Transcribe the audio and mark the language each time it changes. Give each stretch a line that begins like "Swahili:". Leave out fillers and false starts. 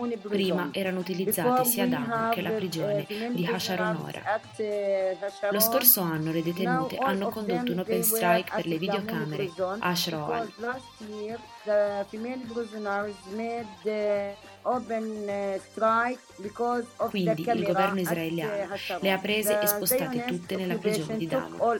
Italian: Prima erano utilizzate sia Dahmi che la prigione di Hasharon Hora. Lo scorso anno le detenute hanno condotto un open strike per le videocamere Hasharon.
English: The female prisoners made the open strike because of
Italian: quindi
English: the camera
Italian: il governo israeliano le ha prese e spostate tutte nella prigione di Dahmi.